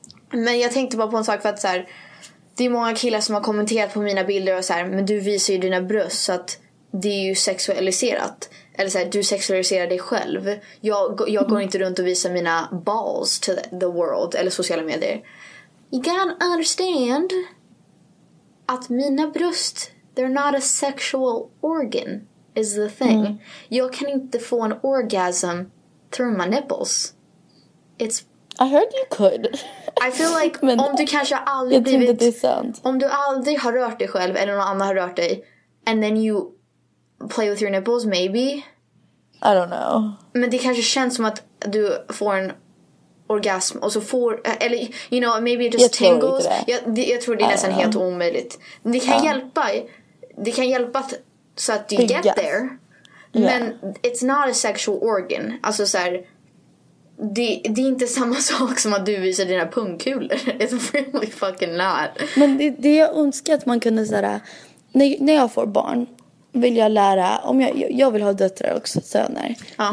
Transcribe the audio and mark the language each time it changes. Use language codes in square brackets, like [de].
[sv] Men jag tänkte bara på en sak, för att så här, det är många killar som har kommenterat på mina bilder och så här, men du visar ju dina bröst, så att det är ju sexualiserat. Eller så här, du sexualiserar dig själv. Jag går inte runt och visar mina [en] balls to the world [sv] eller sociala medier. [en] You can understand [sv] att mina bröst, [en] they're not a sexual organ, is the thing. [sv] Jag kan inte få en orgasm [en] through my nipples. I heard you could. I feel like, [sv] men om du kanske aldrig blivit, om du aldrig har rört dig [en] själv eller någon annan har rört dig, and then you play with your nipples, maybe. I don't know. [sv] Men det kanske känns som att du får en orgasm och så får, eller, you know, [en] maybe it just [sv] jag [en] tingles. [sv] Tror inte det. Jag tror det är nästan helt omöjligt. Det kan hjälpa. Det kan hjälpa så att du [en] get there. Men it's not a sexual organ. [sv] Alltså så här, det är inte samma sak som att du visar dina pungkulor. [en] It's really fucking not. [sv] Men det jag önskar att man kunde säga, när jag får barn vill jag lära, om jag vill ha döttrar också, söner. Ja.